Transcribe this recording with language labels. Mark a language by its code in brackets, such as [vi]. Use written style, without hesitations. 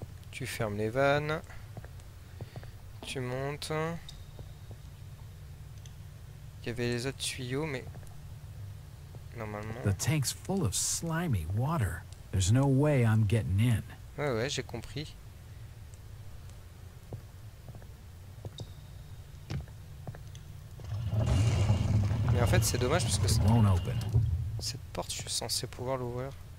[fr] Tu fermes les vannes. Tu montes. Il y avait les autres tuyaux, mais normalement. [en] The tank's full of slimy water. There's no way I'm getting in. [fr] Ouais, ouais, j'ai compris. Mais en fait, c'est dommage parce que cette porte, je suis censé pouvoir l'ouvrir.